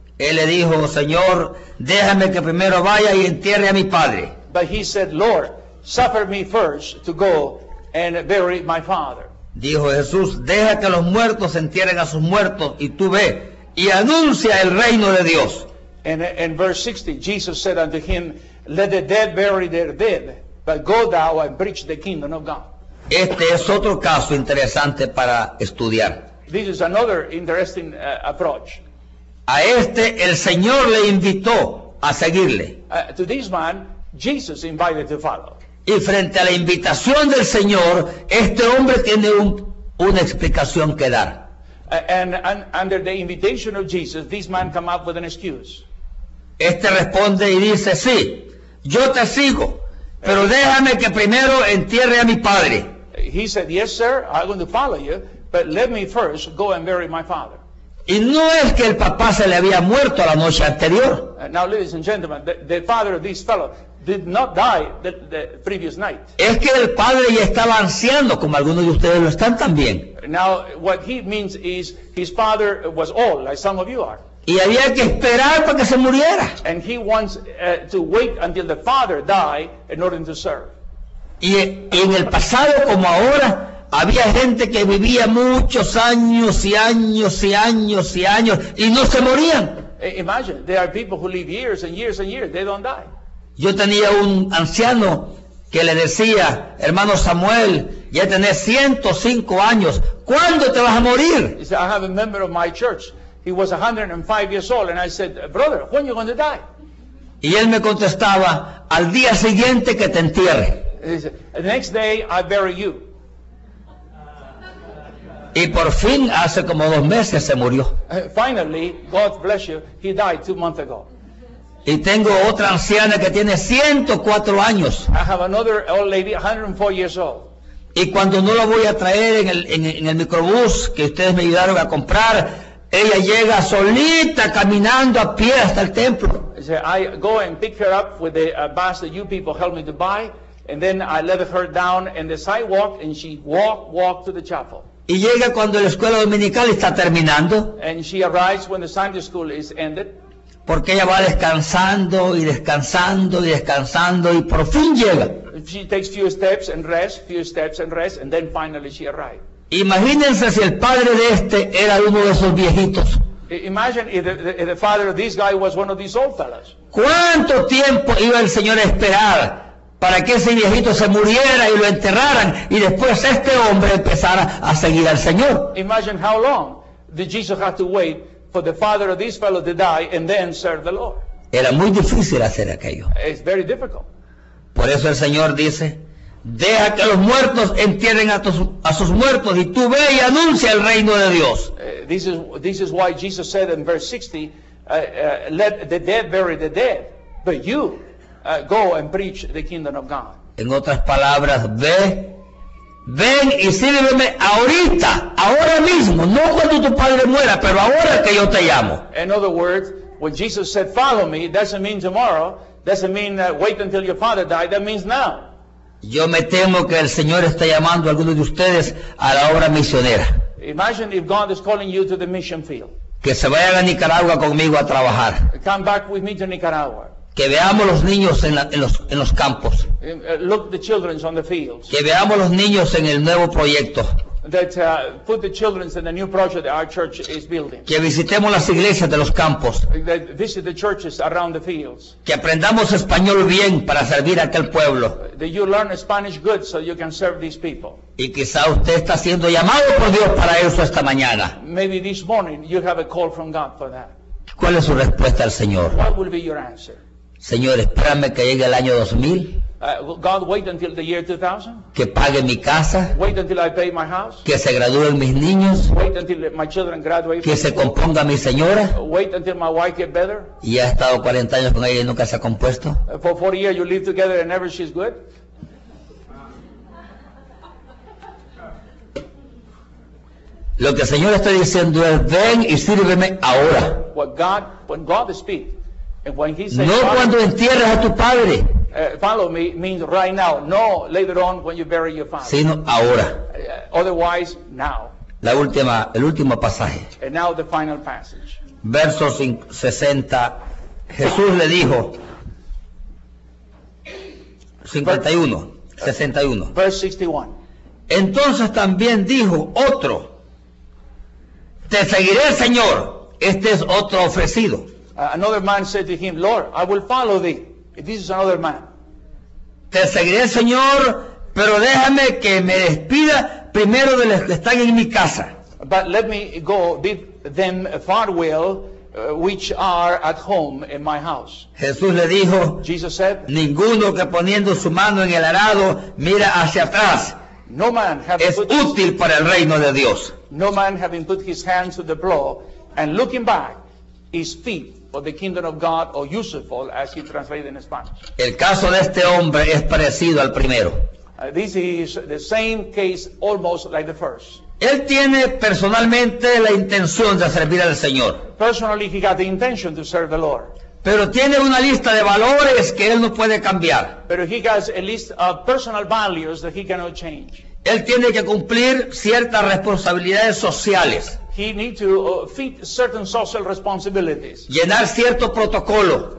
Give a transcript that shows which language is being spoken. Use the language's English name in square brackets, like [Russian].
[Spanish] Él le dijo, Señor, déjame que primero vaya y entierre a mi padre. [English] But he said, Lord, suffer me first to go and bury my father. [Spanish] Dijo Jesús, deja que los muertos entierren a sus muertos y tú ve y anuncia el reino de Dios. [English] In verse 60, Jesus said unto him, let the dead bury their dead, but go thou and preach the kingdom of God. [Spanish] Este es otro caso interesante para estudiar. [English] This is another interesting approach. [Spanish] A este el Señor le invitó a seguirle. [English] To this man, Jesus invited to follow. [Spanish] Y frente a la invitación del Señor, este hombre tiene una explicación que dar. [English] And under the invitation of Jesus, this man come up with an excuse. [Spanish] Este responde y dice, sí, yo te sigo, pero déjame que primero entierre a mi padre. [English] He said, yes, sir, I'm going to follow you, but let me first go and bury my father. [Spanish] Y no es que el papá se le había muerto la noche anterior. [English] Now, ladies and gentlemen, the father of this fellow did not die the previous night. [Spanish] Es que el padre ya estaba anciano, como algunos de ustedes lo están también. [English] Now, what he means is his father was old, like some of you are. [Spanish] Y había que esperar para que se muriera. [English] And he wants to wait until the father die in order to serve. [Spanish] Y en el pasado como ahora, había gente que vivía muchos años y años y años y años y no se morían. [English] Imagine, there are people who live years and years and years, they don't die. [Spanish] Yo tenía un anciano que le decía, hermano Samuel, ya tenés 105 años, ¿cuándo te vas a morir? [English] He said, I have a member of my church, he was 105 years old, and I said, brother, when are you going to die? [Spanish] Y él me contestaba, al día siguiente que te entierre. [English] He said, the next day I bury you. [Spanish] Y por fin, hace como dos meses, se murió. [English] Finally, God bless you, he died 2 months ago. [Spanish] Y tengo otra anciana que tiene 104 años. [English] I have another old lady, 104 years old. [Spanish] Y cuando no la voy a traer en el microbús que ustedes me ayudaron a comprar, ella llega solita caminando a pie hasta el templo. [English] So I go and pick her up with the bus that you people helped me to buy, and then I let her down in the sidewalk, and she walk to the chapel. [Spanish] Y llega cuando la escuela dominical está terminando. [English] And she arrives when the Sunday school is ended. [Spanish] Porque ella va descansando y descansando y descansando y por fin llega. [English] She takes few steps and rest, and then finally she arrives. [Spanish] Imagínense si el padre de este era uno de esos viejitos. [English] Imagine if the father of this guy was one of these old fellows. [Spanish] ¿Cuánto tiempo iba el Señor a esperar para que ese viejito se muriera y lo enterraran y después este hombre empezara a seguir al Señor? [English] Imagine how long did Jesus have to wait for the father of this fellow to die and then serve the Lord. [Spanish] Era muy difícil hacer aquello. [English] It's very difficult. [Spanish] Por eso el Señor dice, deja que los muertos entierren a sus muertos y tú ve y anuncia el reino de Dios. [English] This is why Jesus said in verse 60, let the dead bury the dead, but you go and preach the kingdom of God. [Spanish] En otras palabras, ve, ven y sírveme ahorita, ahora mismo, no cuando tu padre muera, pero ahora que yo te llamo. [English] In other words, when Jesus said follow me, doesn't mean tomorrow, doesn't mean wait until your father died, that means now. [Spanish] Yo me temo que el Señor está llamando a algunos de ustedes a la obra misionera. [English] Imagine if God is calling you to the mission field. [Spanish] Que se vayan a Nicaragua conmigo a trabajar. [English] Come back with me to Nicaragua. [Spanish] Que veamos los niños en los campos. [English] Look the children on the fields. [Spanish] Que veamos los niños en el nuevo proyecto. [English] That put the children in the new project that our church is building. [Spanish] Que visitemos las iglesias de los campos. [English] That visit the churches around the fields. [Spanish] Que aprendamos español bien para servir a aquel pueblo. [English] That you learn Spanish good so you can serve these people. [Spanish] Y quizá usted está siendo llamado por Dios para eso esta mañana. [English] Maybe this morning you have a call from God for that. [Spanish] ¿Cuál es su respuesta al Señor? [English] What will be your answer? [Spanish] Señor, espérame que llegue el año 2000. [English] God, wait until the year 2000. [Spanish] Que pague mi casa. [English] Wait until I pay my house. [Spanish] Que se gradúen mis niños. [English] Wait until my children graduate. [Spanish] Que se componga mi señora. [English] Wait until my wife get better. [Spanish] Y ha estado 40 años con ella y nunca se ha compuesto. [English] For 40 years you live together and never she's good. [Spanish] Lo que el Señor está diciendo es ven y sírveme ahora. No cuando entierres a tu padre. [English] Follow me means right now, no later on when you bury your father. [Spanish] Sino ahora. [English] Otherwise, now. [Spanish] La última, el último pasaje. [English] And now the final passage. [Spanish] Verso 60. Jesús le dijo. [English] 51. 61. Verse 61. [Spanish] Entonces también dijo otro. Te seguiré, Señor. Este es otro ofrecido. [English] Another man said to him, Lord, I will follow thee. This is another man. [Spanish] Te seguiré, Señor, pero déjame que me despida primero de los que están en mi casa. [English] But let me go bid them farewell, which are at home in my house. [Spanish] Jesús le dijo, [English] Jesus said, [Spanish] ninguno que poniendo su mano en el arado mira hacia atrás. [English] No man having [Spanish] es útil [English] his, [Spanish] para el reino de Dios. [English] No man having put his hands to the plow and looking back is fit for the kingdom of God or useful as he translated in Spanish. [Spanish] El caso de este hombre es parecido al primero. [English] This is the same case almost like the first. [Spanish] Él tiene personalmente la intención de servir al Señor. [English] Personally he got the intention to serve the Lord. [Spanish] Pero tiene una lista de valores que él no puede cambiar. Pero [English] he has a list of personal values that he cannot change. [Spanish] Él tiene que cumplir ciertas responsabilidades sociales. [English] He needs to fit certain social responsibilities. [Spanish] Llenar cierto protocolo.